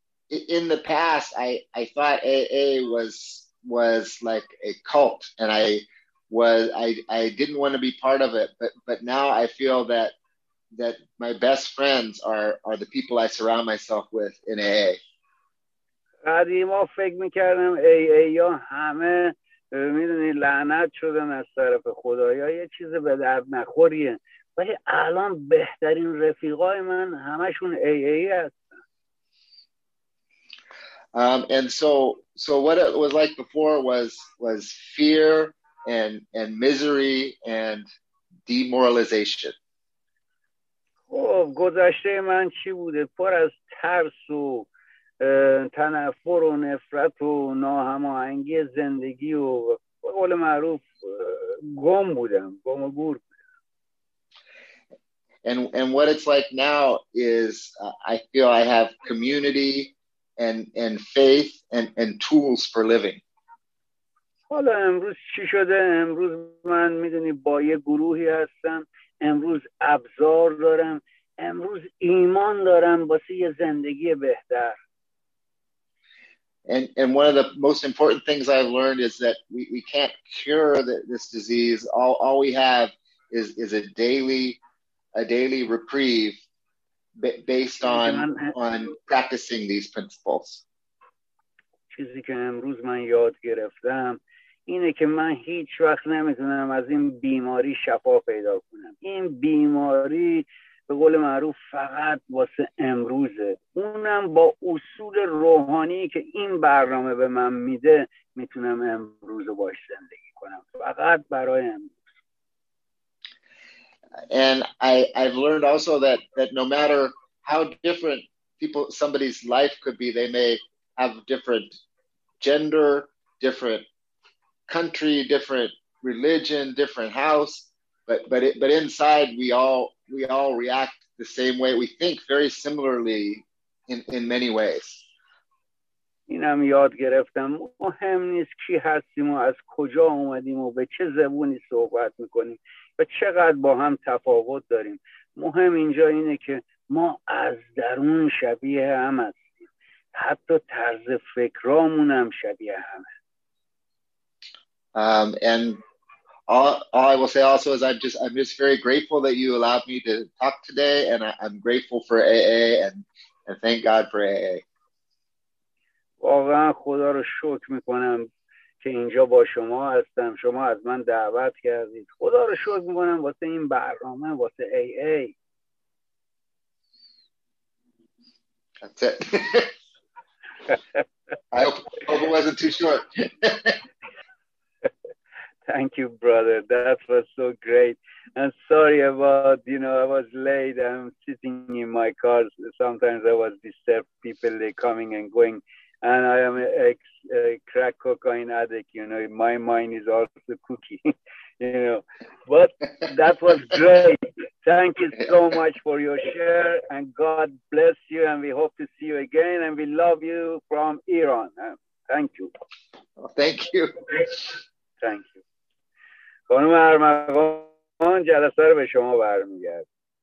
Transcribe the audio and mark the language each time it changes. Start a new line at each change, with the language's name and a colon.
English: In the past, I thought AA was like a cult, and I didn't want to be part of it. But now I feel that my best friends are the people I surround myself with in AA.
Persian: قدیما فکر میکردم AA یا همه میدونی لعنت شدن از طرف خدا یا یه چیز به درد نخوریه، ولی الان بهترین رفیقای من همشون AA هست.
English: And so what it was like before was fear and misery and demoralization.
Persian: خب گذشته من چی بوده؟ پر از ترس و تنفر و نفرت و ناهماهنگی زندگی و به قول معروف گم بودم، گم و گور.
English: And what it's like now is I feel I have community and faith and tools for living.
Persian: حالا امروز چی شده؟ امروز من میدونی با یه گروهی هستم، امروز ابزار دارم، امروز ایمان دارم واسه یه زندگی بهتر.
English: And one of the most important things I've learned is that we can't cure this disease. All we have is a daily reprieve based on practicing these principles.
Persian: چیزی که امروز من یاد گرفتم اینه که من هیچ وقت نمیتونم از این بیماری شفا پیدا کنم. این بیماری به قول معروف فقط واسه امروزه، اونم با اصول روحانی که این برنامه به من میده میتونم امروزو باش زندگی کنم، فقط برای امروز.
English: And I've learned also that no matter how different people somebody's life could be, they may have different gender, different country, different religion, different house, but inside we all react the same way. We think very similarly in many ways.
Persian: اینم یاد گرفتم مهم نیست کی هستیم و از کجا اومدیم و به چه زبونی صحبت میکنیم و چقدر با هم تفاوت داریم، مهم اینجا اینه که ما از درون شبیه هم هستیم، حتی طرز فکرامون هم شبیه همه.
English: And all I will say also is I'm just very grateful that you allowed me to talk today, and I'm grateful for AA and thank God for AA.
Persian: واقعا خدا رو شکر میکنم که اینجا با شما هستم، شما از من دعوت کردید، خدا رو شکر میکنم واسه این برنامه، واسه ای ای.
English: That's it. I hope it wasn't too short. Thank you, brother. That was so great. I'm sorry about, you know, I was late. I'm sitting in my car. Sometimes I was disturbed. People, they coming and going. And I am a crack cocaine addict, you know, my mind is also cookie, you know. But that was great. Thank you so much for your share, and God bless you, and we hope to see you again, and we love you from Iran. Thank you. Thank you. Thank you.
Persian: خانم ارمغان جلسه رو به شما برمیگردم.